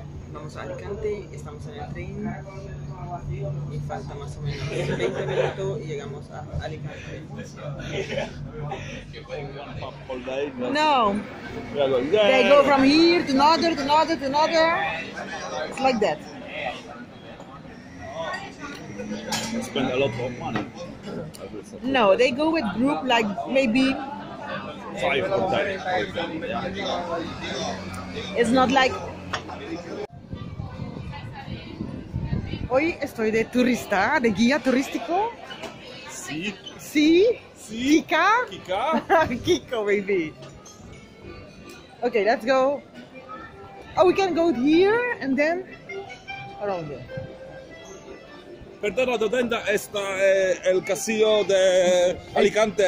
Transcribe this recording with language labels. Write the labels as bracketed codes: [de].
[es] vamos a Alicante, estamos en el tren y falta más o menos 20 minutos y llegamos a Alicante. [en] No. They go from here to another, to another, to another. It's like that. Spend a lot of money. No, they go with group like maybe five or ten. It's not like. [es] Hoy estoy de turista, de guía turístico. Sí. Sí. Sí. Kika. Kika. [en] Kiko, baby. Okay, let's go. Oh, we can go here and then around here. [es] Perdona, ¿dónde está esta, el castillo de Alicante?